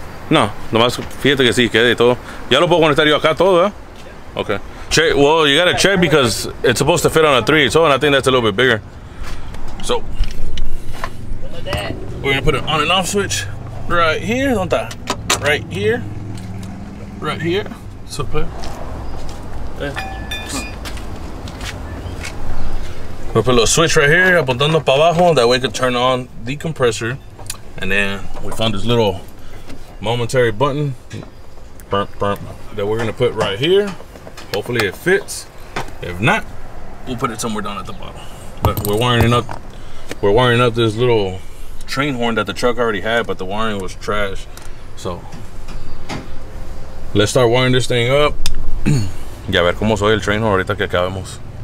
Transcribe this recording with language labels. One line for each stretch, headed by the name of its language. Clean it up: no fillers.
Spanish: no, nomás fíjate que sí, queda y todo. Ya lo puedo conectar yo acá todo, ¿eh?
English: Okay. Check, well, you gotta check because it's supposed to fit on a 3, so, and I think that's a little bit bigger. So, we're gonna put an on and off switch right here, don't that? Right here. Right here. So, play. Yeah. We'll put a little switch right here,
Spanish: apuntando para abajo,
English: that way it can turn on the compressor. And then we found this little momentary button that we're gonna put right here. Hopefully it fits. If not, we'll put it somewhere down at the bottom. But we're wiring up this little train horn that the truck already had, but the wiring was trash. So let's start wiring this thing up.
Spanish: Ya ver cómo soy el train horn ahorita que acabemos.